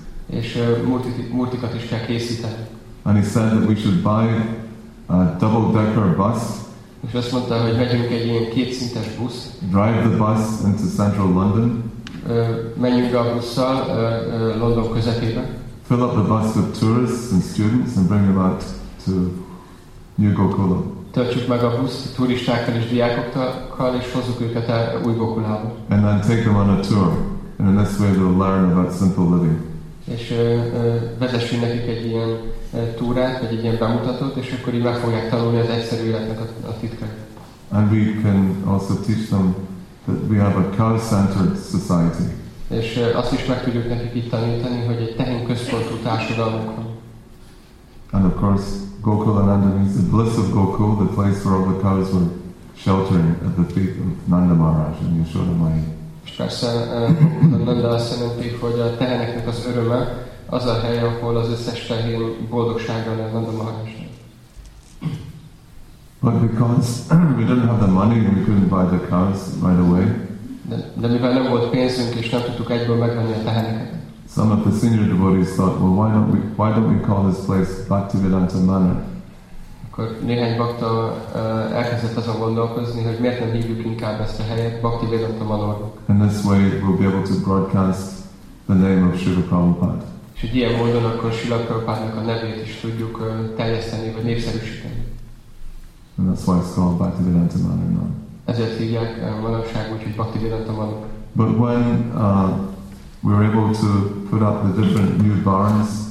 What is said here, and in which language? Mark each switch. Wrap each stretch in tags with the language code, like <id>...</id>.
<hu>És multikat is kell készíteni.</hu> <en>And he said that we should buy a double-decker bus.</en> <hu>És azt mondta, hogy vegyünk egy ilyen kétszintes busz.</hu> <en>Drive the bus into central London.</en> <hu>Menjünk a busszal London közepébe.</hu> <en>Fill up the bus with tourists and students and bring them out to New Gokula.</en> <hu>Töltsük meg a buszt turistákkal és diákokkal, és hozzuk őket el Új Gokulába.</hu> <en>And then take them on a tour. And in this way they'll learn about simple living.</en> <hu>És vezessünk nekik egy ilyen túrát, vagy egy ilyen bemutatót, és akkor így meg fogják tanulni az egyszerű életnek a titkát.</hu> <en>And we can also teach them that we have a cow-centered society.</en> <hu>És azt is meg tudjuk nekik itt tanítani, hogy egy tehénközpontú társadalmunk van.</hu> <en>And of course, Gokulananda means the bliss of Gokul, the place where all the cows were sheltering at the feet of Nanda Maharaj and Yashoda Mahi.</en> <hu>És persze, Nanda azt jelenti, hogy a teheneknek az öröme az a hely, ahol az összes tehén boldogsággal lehet Nanda Maharajnak.</hu> <en>But because we didn't have the money, we couldn't buy the cows right away.</en> <hu>De mivel nem volt pénzünk, és nem tudtuk egyből megvenni a teheneket.</hu> <en>Some of the senior devotees thought, well, why don't we call this place Bhaktivedanta Manor?</en> <hu>Akkor néhány bakta elkezdett azon gondolkozni, hogy miért nem hívjuk inkább ezt a helyet Bhaktivedanta Manornak.</hu> <en>In this way, we'll be able to broadcast the name of Srila Prabhupada.</en> <hu>És egy ilyen módon akkor Srila Prabhupádnak a nevét is tudjuk terjeszteni, vagy népszerűsíteni.</hu> <en>And that's why it's called Bhaktivedanta Manor now.</en> <hu>Ezért hívják manapság, úgyhogy Bhaktivedanta Manor.</hu> <en>But when we were able to put up the different new barns.</en>